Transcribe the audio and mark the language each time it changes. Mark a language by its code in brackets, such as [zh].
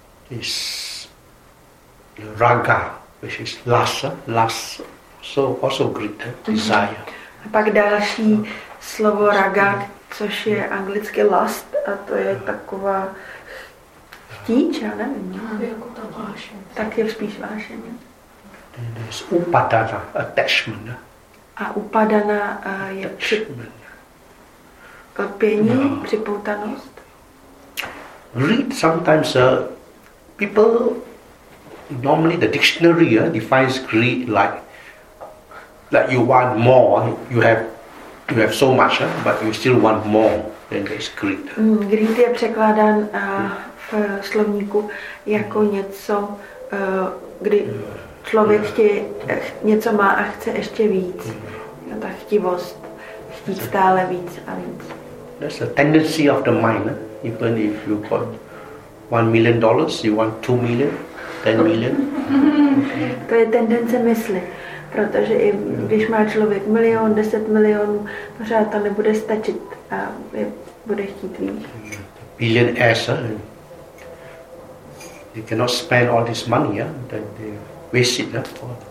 [en] is raga, which is lust, so also greed, desire. [cs] A pak další slovo raga, což je anglicky lust, a to je taková chtíč, já nevím. Jako ta vášeň. Tak je spíš vášeň. [en] Then there's upadana, attachment. [cs] A upadana je [en] attachment. [cs] Klpění, připoutanost. [en] Greed sometimes people normally the dictionary defines greed like you want more, you have so much, but you still want more, then there's greed. [cs] Greed je překládán v slovníku jako něco, kdy člověk něco má a chce ještě víc. Ta chtivost, chtít stále víc a víc. [en] That's a tendency of the mind, even if you got $1 million, you want $2 million, $10 million. [cs] To je tendence mysli, protože i když má člověk milion, 10 milionů, pořád to nebude stačit a bude chtít víc. [en] Billionaires, they cannot spend all this money, then they waste it for